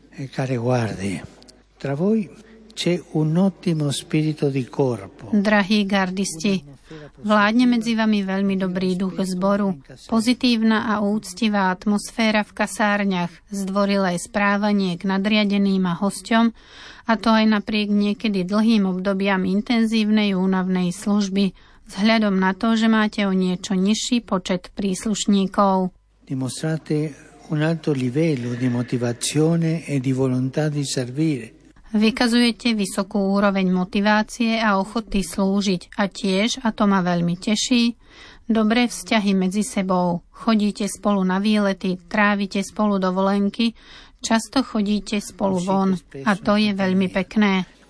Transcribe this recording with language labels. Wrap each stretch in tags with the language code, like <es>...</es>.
<it>Care guardie, tra voi c'è un ottimo spirito di corpo.</it> <sk>Drahí gardisti, vládne medzi vami veľmi dobrý duch zboru, pozitívna a úctivá atmosféra v kasárňach, zdvorilé správanie k nadriadeným a hosťom, a to aj napriek niekedy dlhým obdobiam intenzívnej únavnej služby, vzhľadom na to, že máte o niečo nižší počet príslušníkov.</sk> <it>Dimostrate un alto livello di motivazione e di volontà di servire.</it> <sk>Vykazujete vysokú úroveň motivácie a ochoty slúžiť a tiež, a to ma veľmi teší, dobré vzťahy medzi sebou. Chodíte spolu na výlety, trávite spolu dovolenky, často chodíte spolu von a to je veľmi pekné.</sk>